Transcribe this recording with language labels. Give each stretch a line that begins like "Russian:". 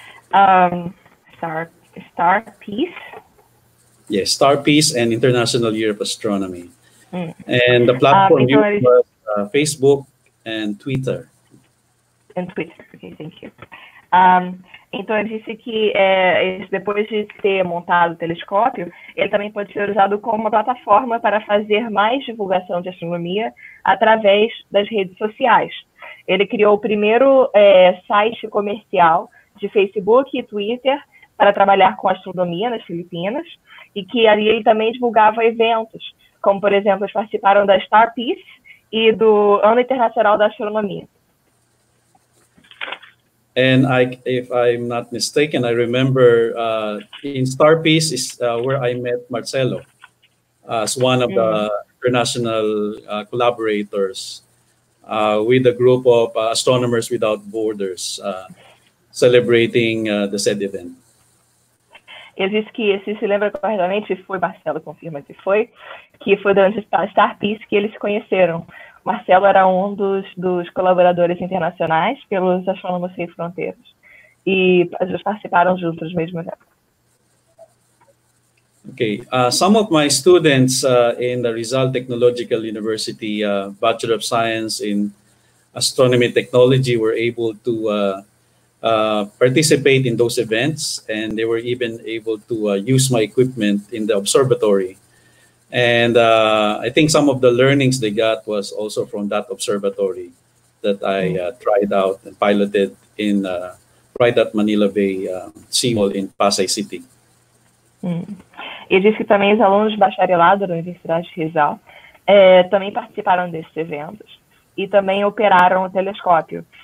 English: Star Peace? Yes, Star Peace and International Year of Astronomy. And the platform used was Facebook and Twitter. And Twitter, okay, thank you.
Portuguese: Então, ele disse que depois de ter montado o telescópio, ele também pode ser usado como uma plataforma para fazer mais divulgação de astronomia através das redes sociais. Ele criou o primeiro site comercial de Facebook e Twitter para trabalhar com astronomia nas Filipinas, e que ali ele também divulgava eventos, como, por exemplo, eles participaram da Star Peace e do Ano Internacional da Astronomia.
English: And I, if I'm not mistaken, I remember in Star Peace is where I met Marcelo as one of the international collaborators with a group of Astronomers Without Borders celebrating the said event.
Portuguese: Eu disse que, se você lembra corretamente, foi Marcelo, confirma que foi durante a Star Peace que eles se conheceram. Marcelo era um dos colaboradores internacionais pelos Astrônomos Sem Fronteiras. E eles participaram juntos mesmo. Ok.
English: Some of my students in the Rizal Technological University Bachelor of Science in Astronomy Technology were able to participate in those events, and they were even able to use my equipment in the observatory. And I think some of the learnings they got was also from that observatory that I tried out and piloted in right at Manila Bay Seamall in Pasay City.
Portuguese: E disse que também os alunos de bacharelado da Universidade de Rizal também participaram desses eventos e também operaram o telescópio.